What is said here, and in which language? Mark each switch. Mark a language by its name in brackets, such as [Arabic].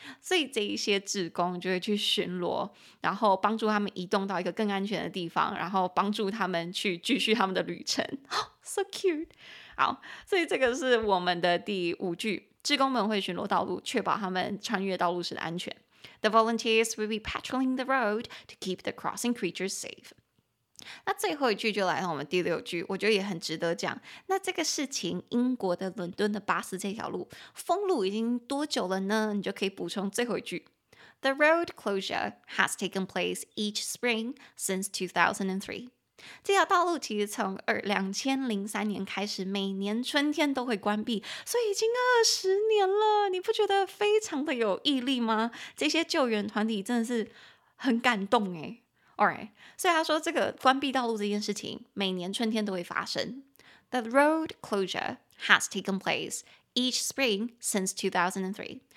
[Chinese] 所以这一些志工就会去巡逻，然后帮助他们移动到一个更安全的地方，然后帮助他们去继续他们的旅程。 [English] Oh, so cute! [Chinese] 好，所以这个是我们的第五句，志工们会巡逻道路，确保他们穿越道路时的安全。 [English] The volunteers will be patrolling the road to keep the crossing creatures safe. [Chinese] 那最后一句就来到我们第六句，我觉得也很值得讲。那这个事情，英国的伦敦的巴士这条路封路已经多久了呢？你就可以补充最后一句。 [English] The road closure has taken place each spring since 2003. [Chinese] 这条道路其实从2003年开始，每年春天都会关闭，所以已经20年了。你不觉得非常的有毅力吗？这些救援团体真的是很感动耶。 Alright, 所以他说这个关闭道路这件事情每年春天都会发生。 [English] The road closure has taken place each spring since 2003.